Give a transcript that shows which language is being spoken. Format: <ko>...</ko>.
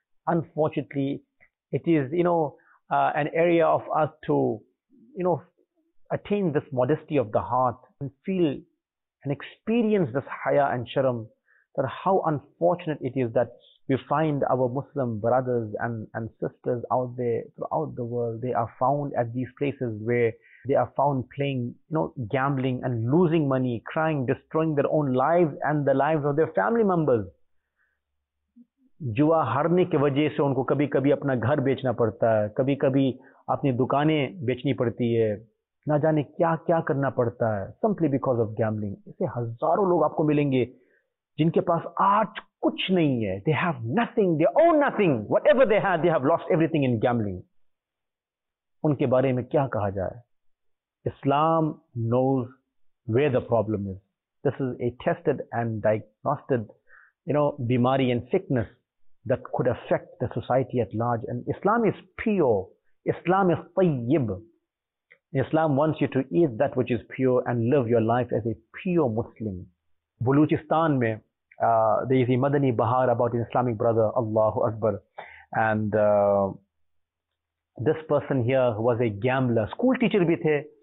<en>Unfortunately, it is, you know, an area of us to, you know, attain this modesty of the heart and feel and experience this haya and sharam, that how unfortunate it is that we find our Muslim brothers and sisters out there throughout the world, they are found at these places where they are found playing, you know, gambling and losing money, crying, destroying their own lives and the lives of their family members.</en> <hi>जुआ हारने के वजह से उनको कभी कभी अपना घर बेचना पड़ता है, कभी कभी अपनी दुकानें बेचनी पड़ती है, ना जाने क्या क्या करना पड़ता है,</hi> <en>Simply because of gambling.</en> <hi>ऐसे हजारों लोग आपको मिलेंगे जिनके पास आज कुछ नहीं है,</hi> <en>They have nothing, they own nothing, whatever they have lost everything in gambling.</en> <hi>उनके बारे में क्या कहा जाए?</hi> <en>Islam knows where the problem is, this is a tested and diagnosed, you know, बीमारी and sickness that could affect the society at large. And Islam is pure. Islam is tayyib. Islam wants you to eat that which is pure and live your life as a pure Muslim. Baluchistan mein, there is a Madani Bahar about an Islamic brother, Allahu Akbar. And this person here was a gambler. School teacher</en> <hi>bhi the.</hi>